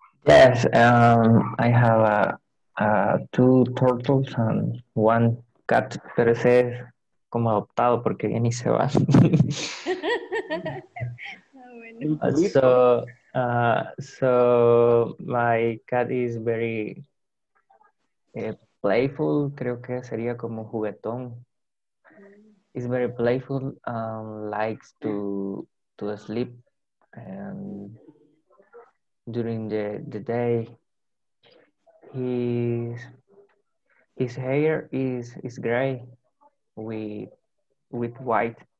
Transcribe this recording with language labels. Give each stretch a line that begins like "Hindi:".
English: Yes, I have two turtles and one cat.
Spanish: Pero ese es como adoptado porque viene y se va.
English: So my cat is very playful,
Spanish: creo que sería como juguetón.
English: He's very playful, likes to sleep and during the day. His hair is gray with white.